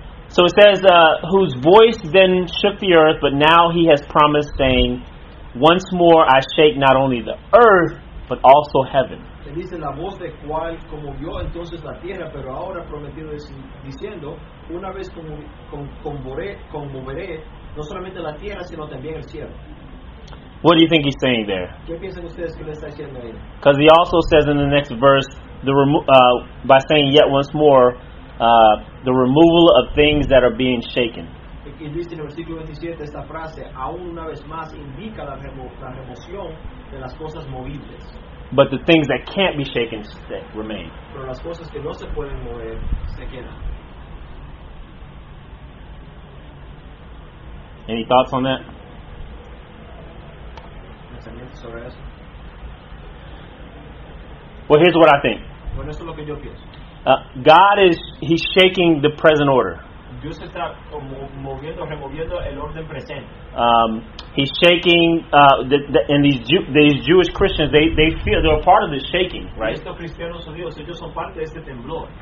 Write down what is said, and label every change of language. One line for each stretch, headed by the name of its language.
English: So it says, whose voice then shook the earth, but now he has promised, saying, once more I shake not only the earth, but also heaven.
Spanish: Se dice la voz de cual conmovió entonces la tierra, pero ahora prometido diciendo, una vez conmoveré no solamente la tierra, sino también el cielo.
English: What do you think he's saying there?
Spanish: ¿Qué piensan ustedes que le está diciendo ahí?
English: Because he also says in the next verse, by saying yet once more, the removal of things that are being shaken.
Spanish: Él dice en el versículo 27 esta frase, aún una vez más indica la remoción de las cosas movibles.
English: But the things that can't be shaken stay, remain.
Spanish: Pero las cosas que no se pueden mover se quedan.
English: Any thoughts on that?
Spanish: ¿Pensamientos sobre eso?
English: Well, here's what I think.
Spanish: Bueno, esto es lo que yo pienso.
English: God is, he's shaking the present order.
Spanish: Dios está moviendo, removiendo el orden presente.
English: He's shaking, and these Jewish Christians, they feel, they're a part of this shaking, right?
Spanish: Estos cristianos judíos, ellos son parte de este temblor.